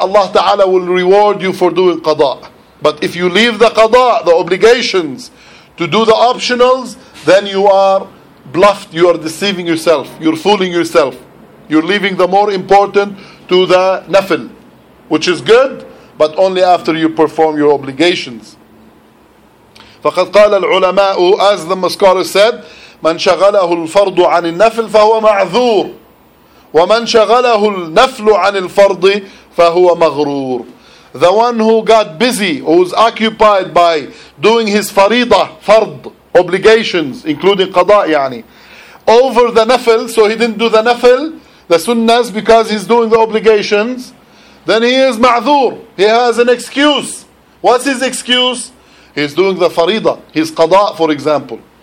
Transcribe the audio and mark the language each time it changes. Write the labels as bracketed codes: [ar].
[en] Allah Ta'ala will reward you for doing qada. But if you leave the qada, the obligations, to do the optionals, then you are bluffed, you are deceiving yourself, you're fooling yourself. You're leaving the more important to the nafil, which is good, but only after you perform your obligations. [ar] فَقَدْ قَالَ الْعُلَمَاءُ, [en] as the scholars said, [ar] مَنْ شَغَلَهُ الْفَرْضُ عَنِ النَّفْلِ فَهُوَ مَعْذُورٌ وَمَنْ شَغَلَهُ النَّفْلُ عَنِ الْفَرْضِ فَهُوَ مَغْرُورٌ. [en] The one who got busy, who was occupied by doing his farida, fard, obligations, including qada, يعني, over the nafil, so he didn't do the nafil, the sunnahs, because he's doing the obligations, then he is ma'zoor. He has an excuse. What's his excuse? He's doing the farida, his qada, for example.